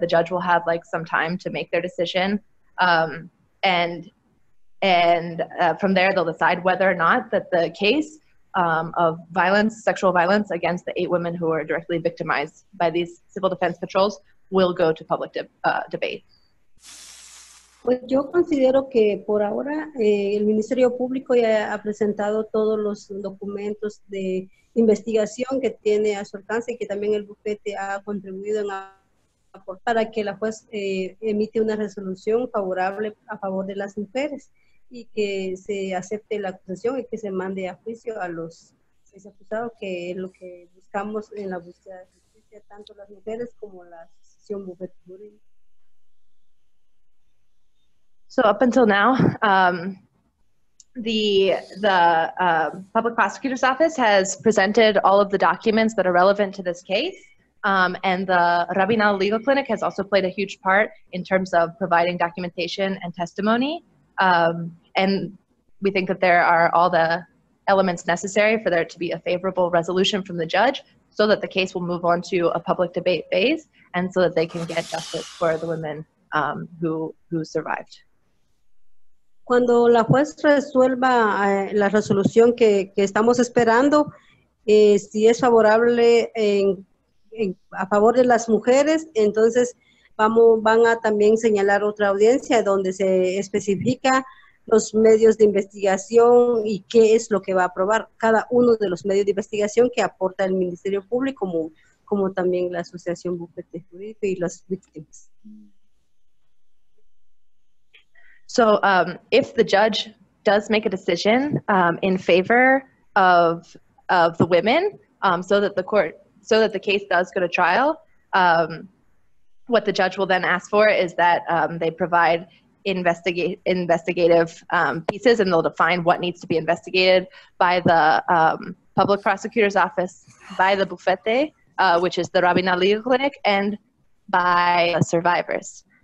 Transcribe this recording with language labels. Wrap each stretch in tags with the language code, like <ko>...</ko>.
<en>The judge will have like some time to make their decision. And from there, they'll decide whether or not that the case of violence, sexual violence against the 8 women who are directly victimized by these civil defense patrols will go to public debate.</en> <es>Pues yo considero que por ahora el Ministerio Público ya ha presentado todos los documentos de investigación que tiene a su alcance y que también el bufete ha contribuido en aportar para que la juez emite una resolución favorable a favor de las mujeres y que se acepte la acusación y que se mande a juicio a los 6 acusados, que es lo que buscamos en la búsqueda de justicia, tanto las mujeres como la asociación bufete jurídico.</es> <en>So up until now, the Public Prosecutor's Office has presented all of the documents that are relevant to this case, and the Rabinal Legal Clinic has also played a huge part in terms of providing documentation and testimony, and we think that there are all the elements necessary for there to be a favorable resolution from the judge so that the case will move on to a public debate phase and so that they can get justice for the women who survived.</en> <es>Cuando la juez resuelva la resolución que estamos esperando, si es favorable a favor de las mujeres, entonces van a también señalar otra audiencia donde se especifica los medios de investigación y qué es lo que va a aprobar cada uno de los medios de investigación que aporta el Ministerio Público, como también la Asociación Bufete Jurídico y las víctimas.</es> <en>So if the judge does make a decision in favor of the women so that the case does go to trial, what the judge will then ask for is that they provide investigative pieces, and they'll define what needs to be investigated by the public prosecutor's office, by the bufete, which is the Rabinal Legal Clinic, and by the survivors.</en>